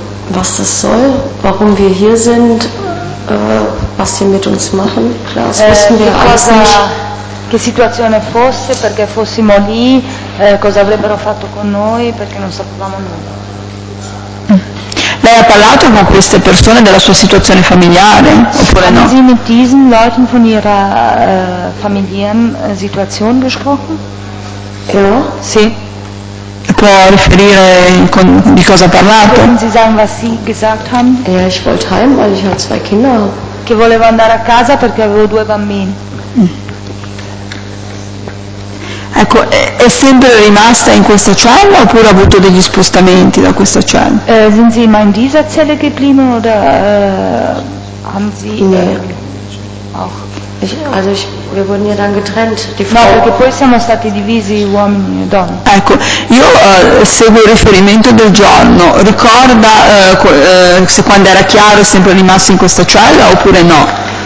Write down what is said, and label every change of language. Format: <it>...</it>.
<de>was das soll, warum wir hier sind, was sie mit uns machen, klar, das wissen wir alles nicht.</de> <it>Che situazione fosse, perché fossimo lì, cosa avrebbero fatto con noi, perché non sapevamo nulla. Lei ha parlato con queste persone della sua situazione familiare, oppure no?</it> <de>Sie mit diesen Leuten von ihrer familiären Situation gesprochen? Ja.</de> <it>Sì. Può riferire di cosa ha parlato?</it> <de>Sie sagen, was sie gesagt haben? Ja, ich wollte heim, weil ich habe zwei Kinder.</de> <it>Che volevo andare a casa perché avevo due bambini. Ecco, è sempre rimasta in questa cella oppure ha avuto degli spostamenti da questa cella?</it> <de>Sind Sie immer in dieser Zelle geblieben oder haben Sie auch? Wir wurden ja dann getrennt, die Frau.</de> <it>No, perché poi siamo stati divisi uomini e donne. Ecco, io seguo il riferimento del giorno. Ricorda se quando era chiaro è sempre rimasto in questa cella oppure no?</it>